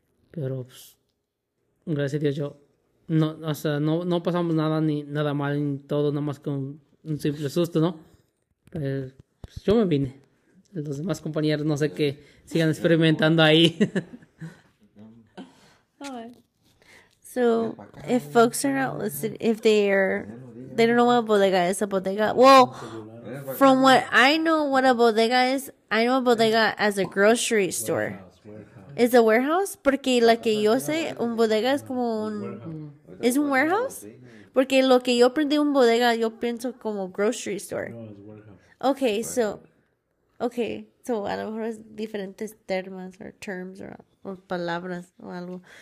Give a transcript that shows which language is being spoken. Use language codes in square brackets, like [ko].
[es] Pero pues, gracias a Dios, no pasamos nada ni nada mal ni todo, nada más que un simple susto, ¿no? Pero pues yo me vine. Los demás compañeros no sé qué sigan experimentando ahí. [en] So, if folks are not listening, if they don't know what a bodega is, a bodega. Well, from what I know, what a bodega is, I know a bodega as a grocery store. Is a warehouse? [es] Porque la que yo sé, un bodega es como un. [en] Is un warehouse? [es] Porque lo que yo aprendí un bodega, yo pienso como grocery store. [en] No, it's warehouse. [es] Okay, so a lo mejor es diferentes termas [en] or terms or [es] palabras o algo.